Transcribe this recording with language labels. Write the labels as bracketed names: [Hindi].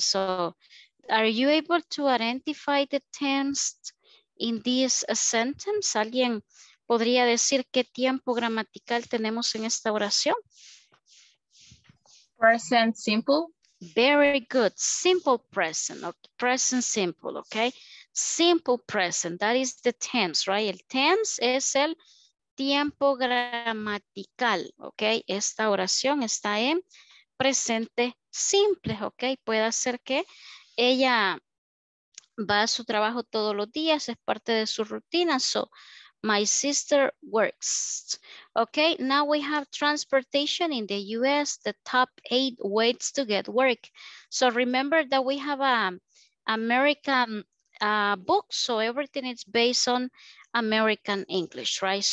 [English] So are you able to identify the tense in this sentence? [Spanish] ¿Alguien podría decir qué tiempo gramatical tenemos en esta oración? [English] Present simple. Very good. Simple present. Okay. Present simple. Okay. Simple present. That is the tense, right? [Spanish] El tense es el tiempo gramatical. [English] Okay. [Spanish] Esta oración está en presente simple. Okay. Puede ser que ella va a su trabajo todos los días, es parte de su rutina. [English] So, my sister works. Okay, now we have transportation in the US, the top 8 ways to get work. So, remember that we have an American book, so everything is based on American English, right?